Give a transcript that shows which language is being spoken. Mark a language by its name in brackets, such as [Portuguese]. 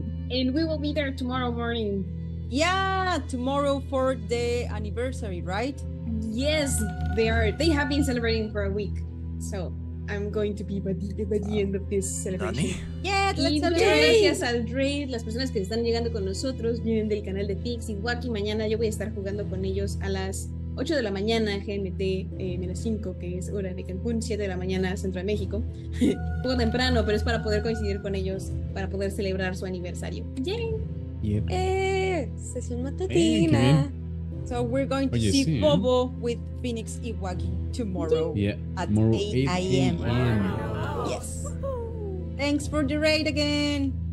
[English] And we will be there tomorrow morning. Yeah, tomorrow for the anniversary, right? Yes, they have been celebrating for a week. So I'm going to be by the end of this celebration. Nani? Yeah, let's celebrate. [Spanish] Gracias al raid, las personas que están llegando con nosotros vienen del canal de Tix y Waki. Mañana yo voy a estar jugando con ellos a las 8 de la mañana GMT -5, que es hora de Cancún, 7 de la mañana Centro de México. Un poco temprano, pero es para poder coincidir con ellos, para poder celebrar su aniversario. ¡Yay! Yeah. Sesión matutina. [English] So we're going to see Bobo with Phoenix y Waki tomorrow. Yeah. At tomorrow 8 a.m. Wow. Yes. Thanks for the raid again.